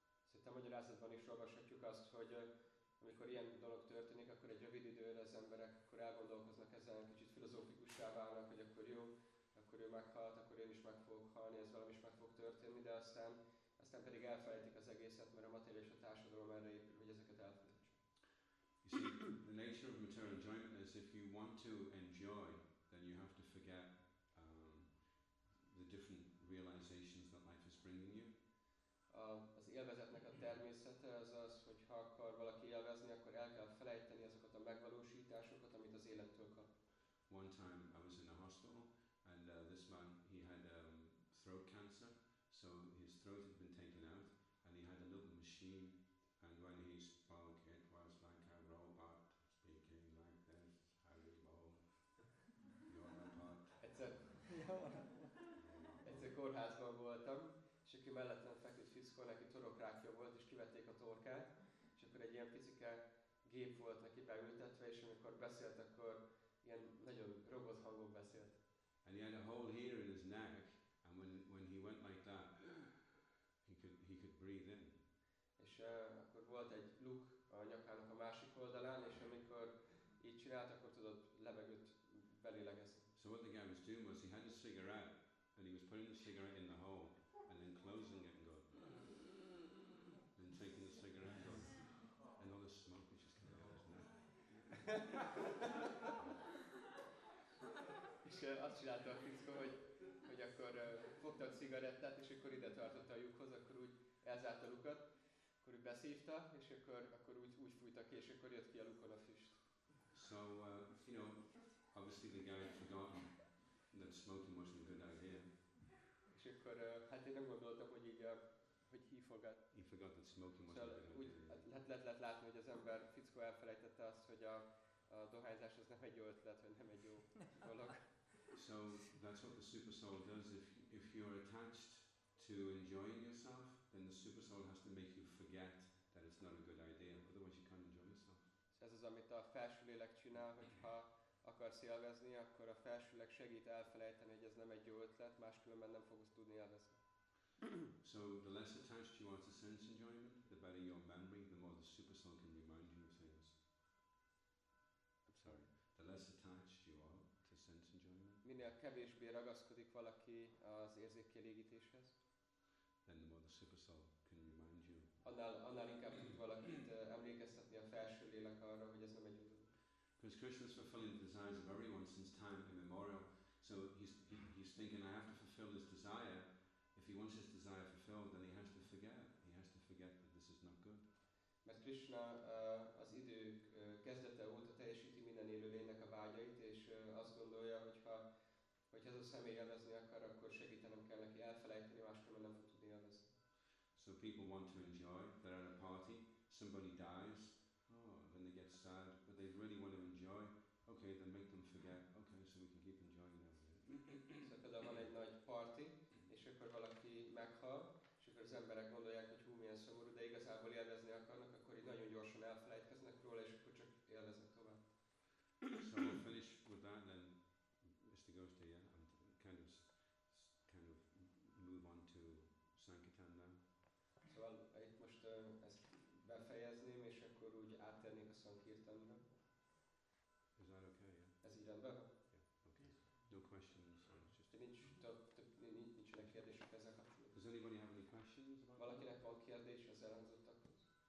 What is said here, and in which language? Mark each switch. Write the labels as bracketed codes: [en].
[hu] Szerintem magyarázatban is olvashatjuk azt, hogy amikor ilyen dolog történik, akkor egy rövid időre az emberek akkor elgondolkoznak ezen, kicsit filozófikussá válnak, hogy akkor jó, akkor ő meghalt, akkor én is meg fogok halni, ez valami is meg fog történni, de aztán pedig elfelejtik az egészet, mert a materiális a társadalom erre épül, hogy ezeket elfelejtsük. [en] You see, the nature of material enjoyment is if you want to enjoy, then you have to forget the different realizations that life is bringing you. [hu] Az élvezetnek a természete az, hogy ha akar valaki élvezni, akkor el kell felejteni azokat a megvalósításokat, amit az élettől kap. [en] One time I was in a hospital, and this man, he had throat cancer, so his throat had been taken out, and he had a little machine, and when he spoke, it was like a robot speaking like this, Harry Bowen, you're a part. [hu] Egyszer kórházban voltam, és aki mellettem feküdt fickó, neki torokrákja volt, és kivették a torkát, és akkor egy ilyen picike gép volt neki beültetve, és amikor beszélt, akkor ilyen nagyon robot hangon beszélt. [en] And he had a hole here in his neck, and when he went like that, he could breathe in. [hu] És akkor volt egy luk a nyakának a másik oldalán, és amikor így csinált, akkor tudott levegőt belélegezni. [en] So what the guy was doing was he had a cigarette, and he was putting the cigarette in the hole, and then closing it and go, and taking the cigarette and going, and all the smoke was just coming out of his neck. [hu] És azt csinálta a fickó, hogy akkor fogta a cigarettát, és akkor ide tartotta a lyukhoz, akkor úgy elzárta a lukat, akkor úgy beszívta, és akkor úgy fújta ki, és akkor jött ki a lukon a füst. [en] So, you know, obviously the guy had forgotten that smoking wasn't a good idea. [hu] És akkor, hát én nem gondoltam, hogy így, hogy [en] he forgot that smoking wasn't a good idea. [hu] Úgy lehet látni, hogy az ember fickó elfelejtette azt, hogy a dohányzás az nem egy jó ötlet, vagy nem egy jó dolog. [en] So that's what the super soul does. If you are attached to enjoying yourself, then the super soul has to make you forget that it's not a good idea. Otherwise, you can't enjoy yourself. [hu] Ez az, amit a felső lélek csinál, hogyha akarsz élvezni, akkor a felső lélek segít elfelejteni, hogy ez nem egy jó ötlet, máskülönben nem fogsz tudni élvezni. [en] So the less attached you are to sense enjoyment, the better your memory, the more the super soul can remind you of things. Sorry. The less attached you are to sense enjoyment. [hu] Minél kevésbé ragaszkodik valaki az érzékkielégítéshez. [en] Then the more the super soul can remind you. [hu] Annál inkább tud valakit emlékeztetni a felső lélek arra, hogy ez nem egy utó. [en] Because Krishna is fulfilling the desires of everyone since time immemorial. So he's thinking, I have to fulfill this desire. If he wants his desire fulfilled, then he has to forget. He has to forget that this is not good. [hu] Mert Krishna az idők kezdete óta teljesíti minden élő lénynek a vágyait, és azt gondolja, hogy ha az a személy élvezni akar, akkor segítenem kell neki elfelejteni, máskülönben nem fog tudni élvezni. [en] So people want to enjoy, they're at a party, somebody dies, then they get sad, but they really want to enjoy, okay, then make them forget, okay, so we can keep enjoying everything. [hu] So például van egy nagy party, és akkor valaki meghal, és akkor az emberek gondolják, hogy hú, milyen szomorú, de igazából élvezni akarnak, akkor így nagyon gyorsan elfelejtkeznek róla, és akkor csak élveznek tovább. [en] So we'll finish with that, then Mr. Gautier, and kind of move on to Sankirtan now. [hu] Szóval itt most ezt befejezném, és akkor úgy áttérnék a Sankirtanra. [en] Is that okay, yeah? [hu] Ez így rendben? [en] Yeah, okay. No questions, or just... [hu] Nincsenek kérdések ezzel kapcsolatban. [en] Does anybody have any questions about that? [hu] Valakinek van kérdés az elhangzottakhoz?